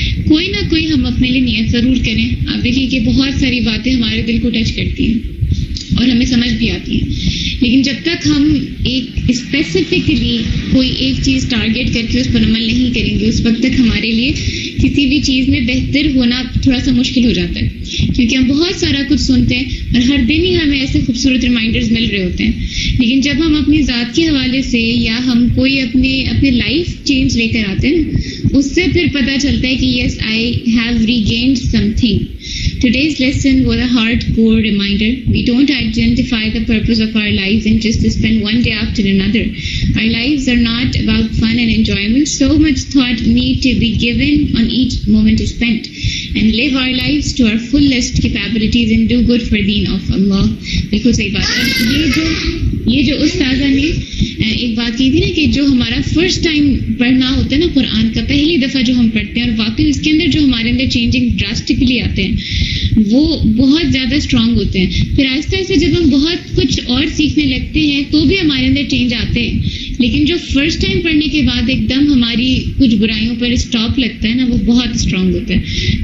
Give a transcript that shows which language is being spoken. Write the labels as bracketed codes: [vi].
[ur] کوئی نہ کوئی ہم اپنے لیے نیت ضرور کریں. آپ دیکھیں کہ بہت ساری باتیں ہمارے دل کو ٹچ کرتی ہیں اور ہمیں سمجھ بھی آتی ہیں, لیکن جب تک ہم ایک اسپیسیفکلی کوئی ایک چیز ٹارگیٹ کر کے اس پر عمل نہیں کریں گے اس وقت تک ہمارے لیے کسی بھی چیز میں بہتر ہونا تھوڑا سا مشکل ہو جاتا ہے, کیونکہ ہم بہت سارا کچھ سنتے ہیں اور ہر دن ہی ہمیں ایسے خوبصورت ریمائنڈرز مل رہے ہوتے ہیں. لیکن جب ہم اپنی ذات کے حوالے سے یا ہم کوئی اپنے لائف چینج لے کر آتے ہیں اس سے پھر پتہ چلتا ہے کہ [en] Yes I have regained something. Today's lesson was a hardcore reminder. We don't identify the purpose of our lives and just to spend one day after another. Our lives are not about fun and enjoyment. So much thought need to be given on each moment is spent. And live our lives to our fullest capabilities and do good for the deen of Allah. [ur] بالکل صحیح بات ہے. یہ جو استاذہ نے ایک بات کی تھی نا کہ جو ہمارا فرسٹ ٹائم پڑھنا ہوتا ہے نا قرآن کا, پہلی دفعہ جو ہم پڑھتے ہیں اور واقعی اس کے اندر جو ہمارے اندر چینجنگ ڈراسٹکلی آتے ہیں وہ بہت زیادہ اسٹرانگ ہوتے ہیں. پھر آہستہ آہستہ جب ہم بہت کچھ اور سیکھنے لگتے ہیں تو بھی ہمارے اندر چینج آتے ہیں, لیکن جو فرسٹ ٹائم پڑھنے کے بعد ایک دم ہماری کچھ برائیوں پر اسٹاپ لگتا ہے نا وہ بہت اسٹرانگ ہوتا ہے.